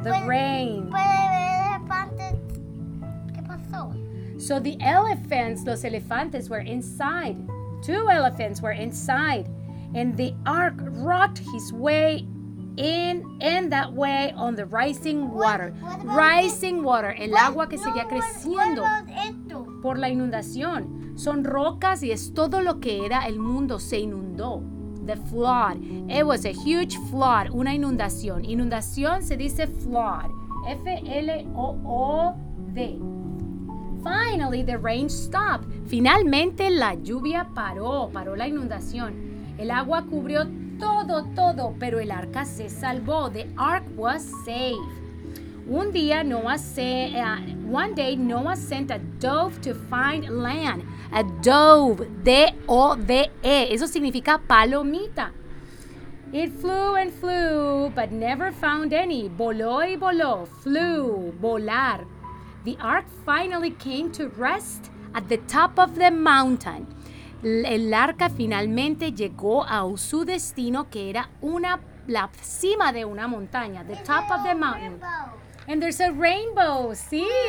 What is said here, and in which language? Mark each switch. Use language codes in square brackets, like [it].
[en] The rain. [es] ¿Qué pasó? [en] So the elephants, [es] los elefantes, [en] were inside. Two elephants were inside. And the ark rocked his way in and that way on the rising water. What rising water, [es] el agua que seguía creciendo por la inundación. son rocas y es todo lo que era el mundo, se inundó. [en] The flood. It was a huge flood, [es] una inundación. Inundación se dice flood. F-L-O-O-D. [en] Finally, the rain stopped. [es] Finalmente, la lluvia paró la inundación. El agua cubrió todo, pero el arca se salvó. [en] The ark was safe. One day, Noah sent a dove to find land. A dove, D-O-V-E. [es] Eso significa palomita. [en] It flew and flew, but never found any. [es] Voló y voló. [en] Flew, volar. The ark finally came to rest at the top of the mountain. [es] El arca finalmente llegó a su destino, que era la cima de una montaña. [en] The top of the mountain. And there's a rainbow, sí.